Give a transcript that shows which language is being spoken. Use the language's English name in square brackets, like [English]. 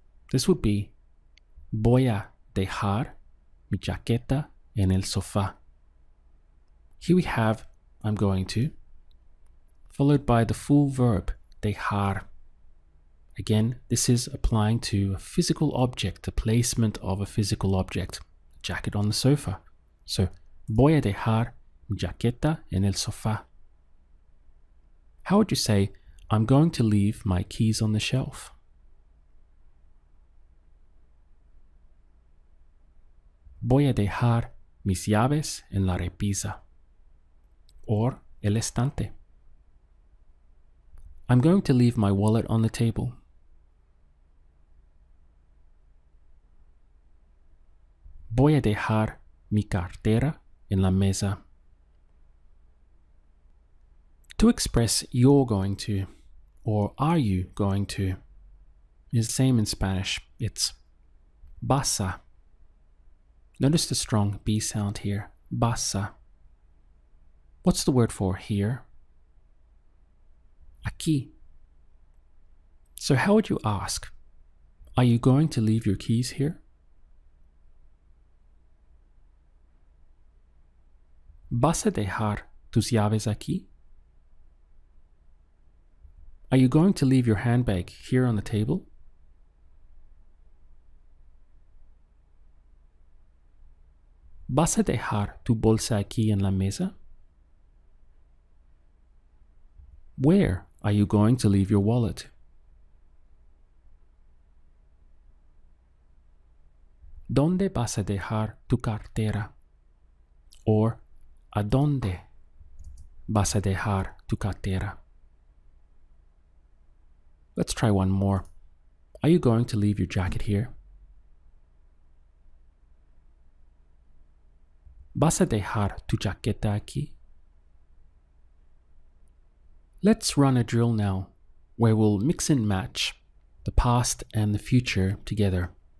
[English] This would be, [Spanish] voy a dejar mi chaqueta en el sofá. [English] Here we have, I'm going to, followed by the full verb, dejar. Again, this is applying to a physical object, the placement of a physical object, a jacket on the sofa. [Spanish] So, voy a dejar mi jaqueta en el sofá. [English] How would you say, I'm going to leave my keys on the shelf? [Spanish] Voy a dejar mis llaves en la repisa, or el estante. [English] I'm going to leave my wallet on the table. [Spanish] Voy a dejar mi cartera en la mesa. [English] To express you're going to, or are you going to, is the same in Spanish. It's vas a. Notice the strong B sound here, vas a. What's the word for here? [Spanish] Aquí. [English] So how would you ask, are you going to leave your keys here? [Spanish] ¿Vas a dejar tus llaves aquí? [English] Are you going to leave your handbag here on the table? [Spanish] ¿Vas a dejar tu bolsa aquí en la mesa? [English] Where are you going to leave your wallet? [Spanish] ¿Dónde vas a dejar tu cartera? Or ¿a dónde vas a dejar tu cartera? [English] Let's try one more. Are you going to leave your jacket here? [Spanish] ¿Vas a dejar tu chaqueta aquí? [English] Let's run a drill now where we'll mix and match the past and the future together.